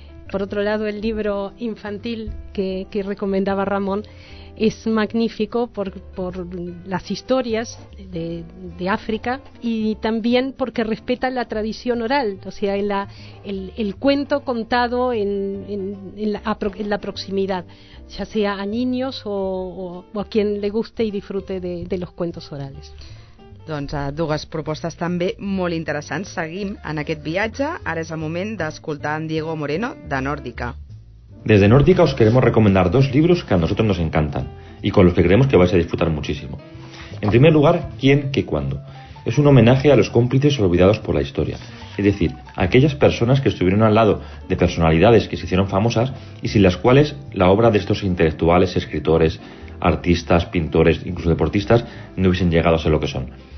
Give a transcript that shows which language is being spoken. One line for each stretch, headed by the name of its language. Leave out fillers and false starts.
Spanish: Por otro lado, el libro infantil que recomendaba Ramón es magnífico por las historias de África y también porque respeta la tradición oral, o sea, el cuento contado en la proximidad, ya sea a niños o a quien le guste y disfrute de los cuentos orales.
Catalan: Doncs dues propostes també molt interessants. Seguim en aquest viatge. Ara és el moment d'escoltar en Diego Moreno, de Nórdica.
Spanish: Desde Nórdica os queremos recomendar dos libros que a nosotros nos encantan y con los que creemos que vais a disfrutar muchísimo. En primer lugar, ¿Quién, qué, cuándo? Es un homenaje a los cómplices olvidados por la historia, es decir, a aquellas personas que estuvieron al lado de personalidades que se hicieron famosas y sin las cuales la obra de estos intelectuales, escritores, artistas, pintores, incluso deportistas, no hubiesen llegado a ser lo que son.